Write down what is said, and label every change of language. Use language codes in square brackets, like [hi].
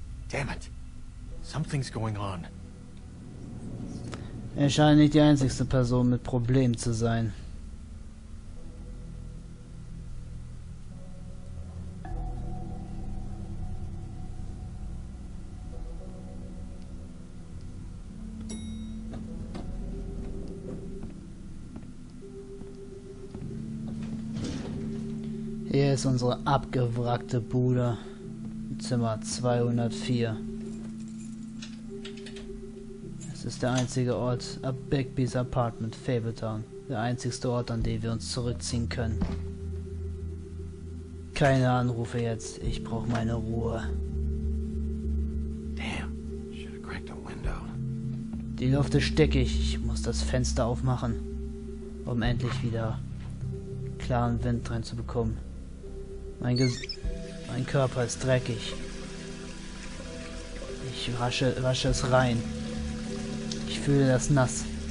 [en] Damn it, something's going on. [de] Scheint nicht die einzigste Person mit Problemen zu sein. Hier ist unsere abgewrackte Bude, Zimmer 204. Es ist der einzige Ort, a Bigby's Apartment, Fabletown. Der einzigste Ort, an dem wir uns zurückziehen können. Keine Anrufe jetzt, ich brauche meine Ruhe. [en] Damn, should have cracked the window. [de] Die Luft ist stickig, ich muss das Fenster aufmachen, um endlich wieder klaren Wind reinzubekommen. Mein Körper ist dreckig. Ich wasche es rein. Ich fühle das nass.